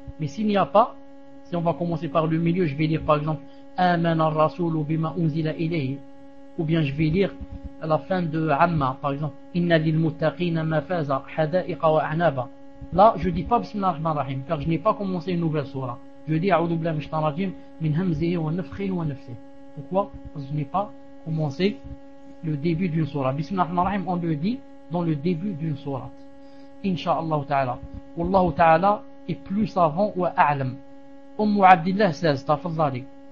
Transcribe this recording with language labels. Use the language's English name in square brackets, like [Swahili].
[French] Mais s'il n'y a pas, si on va commencer par le milieu, je vais dire par exemple [Arabic] آمن الرسول بما أنزل إليه, [French] ou bien je vais lire à la fin de Amma par exemple [Arabic] إن للمتقين مفازا حدائق وأعنابا. [French] Là je dis pas [Arabic] بسم الله الرحمن الرحيم, [French] car je n'ai pas commencé une nouvelle sourate. Je dis [Arabic] أعوذ بالله من الشيطان الرجيم من همزه ونفخه ونفثه. [French] Pourquoi? Parce que je n'ai pas commencé le début d'une sourate. [Arabic] بسم الله الرحمن الرحيم, [French] on le dit dans le début d'une sourate. [Arabic] إن شاء الله تعالى. والله تعالى [French] est plus savant [Arabic] وأعلم. أم عبد الله says تفضلي.